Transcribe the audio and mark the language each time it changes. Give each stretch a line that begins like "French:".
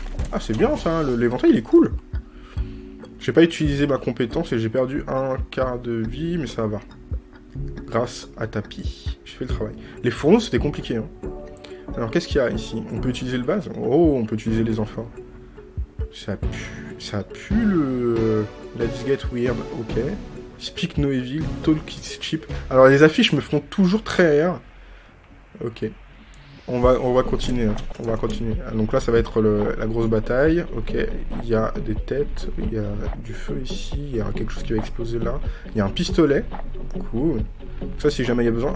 French: Ah, c'est bien ça, l'éventail il est cool. J'ai pas utilisé ma compétence et j'ai perdu un quart de vie, mais ça va. Grâce à tapis, j'ai fait le travail. Les fourneaux c'était compliqué. Hein. Alors, qu'est-ce qu'il y a ici? On peut utiliser le vase? Oh, on peut utiliser les enfants. Ça pue le.
English: Let's get weird, ok. Speak no evil, talk is cheap.
French: Alors les affiches me font toujours très rire. Ok. On va continuer. On va continuer. Donc là ça va être la grosse bataille. Ok. Il y a des têtes. Il y a du feu ici. Il y a quelque chose qui va exploser là. Il y a un pistolet. Cool. Ça si jamais il y a besoin.